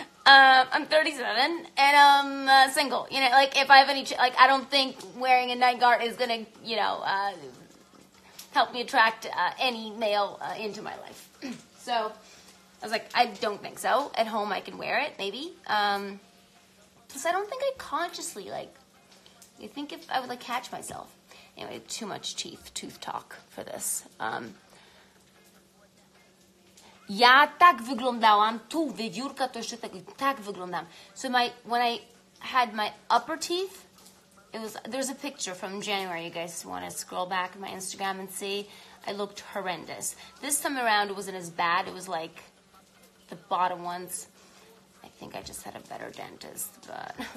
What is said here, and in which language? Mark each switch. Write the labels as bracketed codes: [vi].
[en] I'm 37 and I'm single. You know, like, if I have any, like, I don't think wearing a night guard is gonna, you know, help me attract any male into my life. So I was like, I don't think so. At home, I can wear it, maybe. Plus, I don't think I consciously, like, you think if I would, like, catch myself. Anyway, too much tooth talk for this. [pl] Ja tak wyglądałam tu, wiewiórka, to jeszcze tak wyglądam. [en] So when I had my upper teeth, there's a picture from January, you guys want to scroll back on my Instagram and see. I looked horrendous. This time around, it wasn't as bad. It was like the bottom ones. I think I just had a better dentist, but.